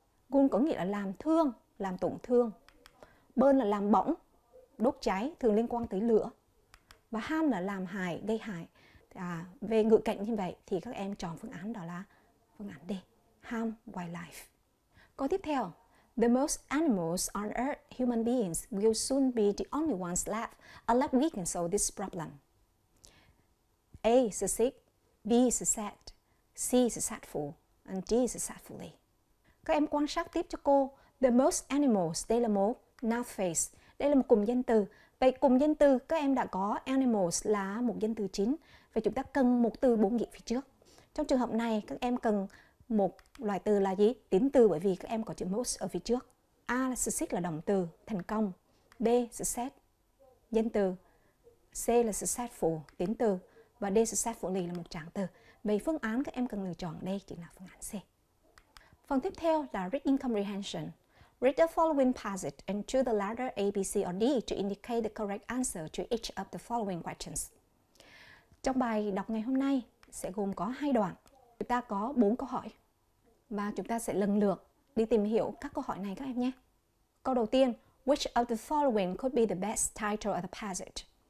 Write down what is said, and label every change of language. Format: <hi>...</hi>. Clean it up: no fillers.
<vi>Wound có nghĩa là làm thương, làm tổn thương. Burn là làm bỏng, đốt cháy, thường liên quan tới lửa. Và harm là làm hại, gây hại. Về ngữ cảnh như vậy thì các em chọn phương án đó là phương án D,</vi> <en>harm wildlife.</en> <vi>Câu tiếp theo,</vi> <en>the most animals on earth, human beings, will soon be the only ones left unless we can solve this problem. A. Succeed. B. Succeed. C. Successful. And D. Successfully.</en> <vi>Các em quan sát tiếp cho cô.</vi> <en>The most animals,</en> <vi>đây là một</vi> <en>noun phrase.</en> <vi>Đây là một cụm danh từ. Vậy cụm danh từ các em đã có animals là một danh từ chính. Vậy chúng ta cần một từ bổ nghĩa phía trước. Trong trường hợp này, các em cần một loại từ là gì? Tính từ, bởi vì các em có chữ most ở phía trước. A là succeed, là động từ, thành công. B, success, danh từ. C là successful, tính từ. Và D, successfully, là một trạng từ. Vậy phương án các em cần lựa chọn đây chính là phương án C. Phần tiếp theo là</vi> <en>reading comprehension. Read the following passage and choose the letter A, B, C or D to indicate the correct answer to each of the following questions.</en> <vi>Trong bài đọc ngày hôm nay sẽ gồm có hai đoạn. Chúng ta có 4 câu hỏi và chúng ta sẽ lần lượt đi tìm hiểu các câu hỏi này các em nhé. Câu đầu tiên,</vi> <en>which of the following could be the best title of the passage?</en>